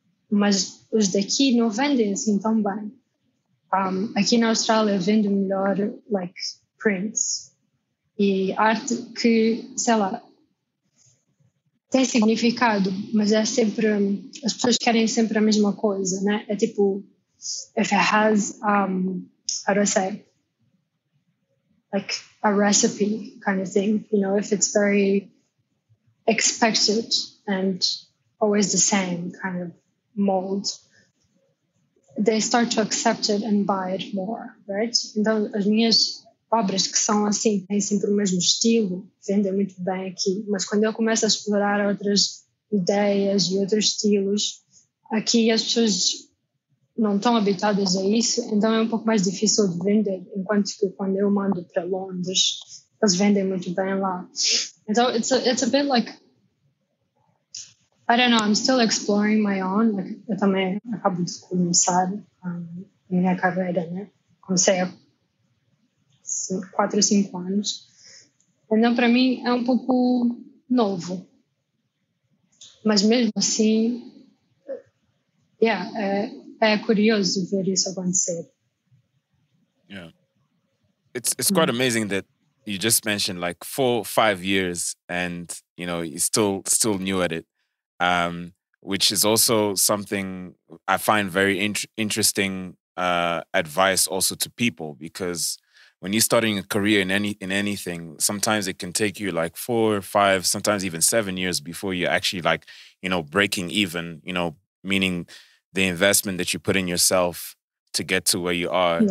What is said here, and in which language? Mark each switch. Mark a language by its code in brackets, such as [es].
[pt] Mas os daqui não vendem assim tão bem. Aqui na Austrália vendo melhor, [en] like, prints. [pt] E arte que, sei lá, tem significado, mas é sempre... As pessoas querem sempre a mesma coisa, né? É tipo, [en] if it has, how do I say, like a recipe kind of thing, you know, if it's very expected and always the same kind of mold, they start to accept it and buy it more, right? [pt] Então, as minhas obras que são assim, têm sempre o mesmo estilo, vendem muito bem aqui, mas quando eu começo a explorar outras ideias e outros estilos, aqui as pessoas não estão habituadas a isso, então é um pouco mais difícil de vender, enquanto que quando eu mando para Londres, eles vendem muito bem lá. [en] Então, it's a bit like, I don't know, I'm still exploring my own, like, [pt] eu também acabo de começar a minha carreira, né? Comecei há 4 ou 5 anos, então para mim é um pouco novo, mas mesmo assim, yeah, curioso ver isso acontecer. [en] Yeah. It's quite amazing that you just mentioned like 4 or 5 years and, you know, you're still new at it, which is also something I find very interesting advice also to people, because when you're starting a career in anything, sometimes it can take you like 4 or 5, sometimes even 7 years before you're actually like, you know, breaking even, you know, meaning the investment that you put in yourself to get to where you are.